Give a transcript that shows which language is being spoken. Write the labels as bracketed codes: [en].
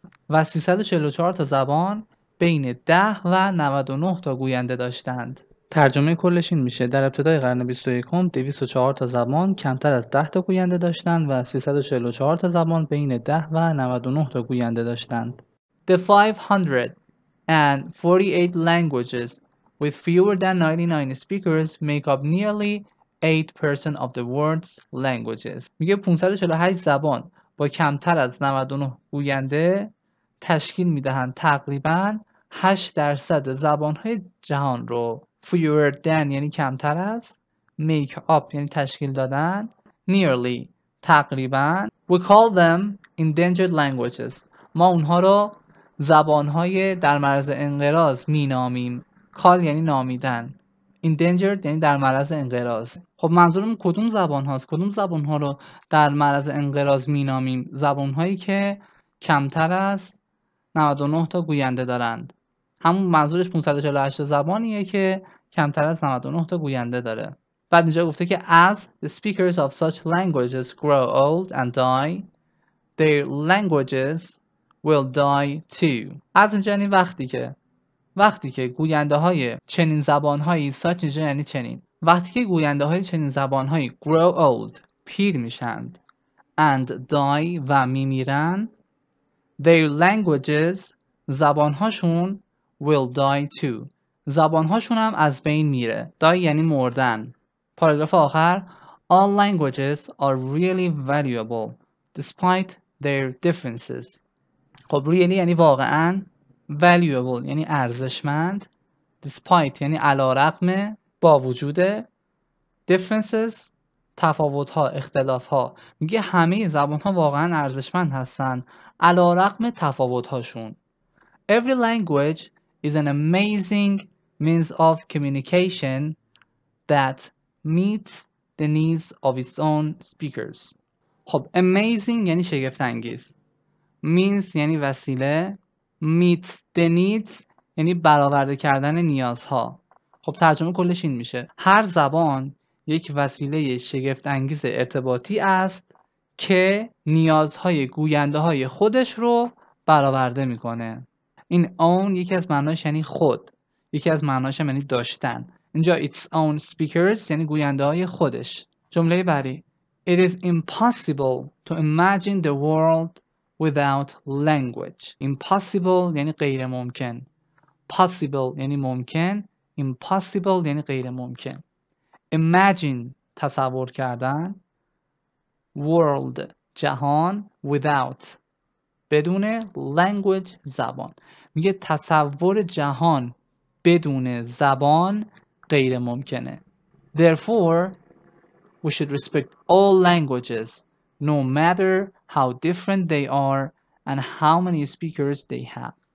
[fa] و 344 تا زبان بین 10 و 99 تا گوینده داشتند. ترجمه کلش این میشه در ابتدای قرن 21 204 تا زبان کمتر از 10 تا گوینده داشتند و 344 تا زبان بین 10 و 99 تا گوینده داشتند. [en] The 548 languages with fewer than 99 speakers make up nearly 8% of the world's languages. [fa] میگه 548 زبان با کمتر از 99 گوینده تشکیل میدهند تقریبا 8% زبان‌های جهان رو. Fewer than یعنی کمتر از، [en] make up [fa] یعنی تشکیل دادن، nearly تقریبا. [en] We call them endangered languages. [fa] ما اونها رو زبان‌های در معرض انقراض مینامیم. کال یعنی نامیدن، endangered یعنی در معرض انقراض. خب منظورم کدوم زبان هاست؟ کدوم زبان ها رو در معرض انقراض مینامیم؟ زبان هایی که کمتر از 99 تا گوینده دارند. همون منظورش 548 زبانیه که کمتر از 99 تا گوینده داره. بعد اینجا گفته که [en] As the speakers of such languages grow old and die, their languages will die too. [fa] از اینجا یعنی وقتی که گوینده های چنین زبان هایی such اینجا یعنی چنین. وقتی که گوینده های چنین زبان هایی [en] grow old [fa] پیر میشند [en] and die [fa] و میمیرند [en] their languages [fa] زبان هاشون [en] will die too. [fa] زبان هاشون هم از بین میره. die یعنی مردن. پاراگراف آخر [en] All languages are really valuable despite their differences. [fa] خب really یعنی واقعا valuable یعنی ارزشمند despite یعنی علارغم با وجود [en] differences [fa] تفاوت ها اختلاف ها میگه همه زبان ها واقعا ارزشمند هستن علارغم تفاوت هاشون [en] Every language is an amazing means of communication that meets the needs of its own speakers. [fa] خب amazing یعنی شگفت انگیز. Means یعنی وسیله. [en] Meets the needs [fa] یعنی برآورده کردن نیازها. خب ترجمه کلش این میشه. هر زبان یک وسیله شگفت انگیز ارتباطی است که نیازهای گوینده های خودش رو برآورده میکنه. این own یکی از معناش یعنی خود. یکی از معناش هم یعنی داشتن. اینجا [en] its own speakers [fa] یعنی گوینده های خودش. جمله بعدی. [en] It is impossible to imagine the world without language. [fa] Impossible یعنی غیر ممکن. Possible یعنی ممکن. Impossible یعنی غیر ممکن. Imagine تصور کردن. World جهان [en] without. [fa] بدون language زبان. میگه تصور جهان بدون زبان غیر ممکنه. [en] Therefore, we should respect all languages, no matter how different they are and how many speakers they have.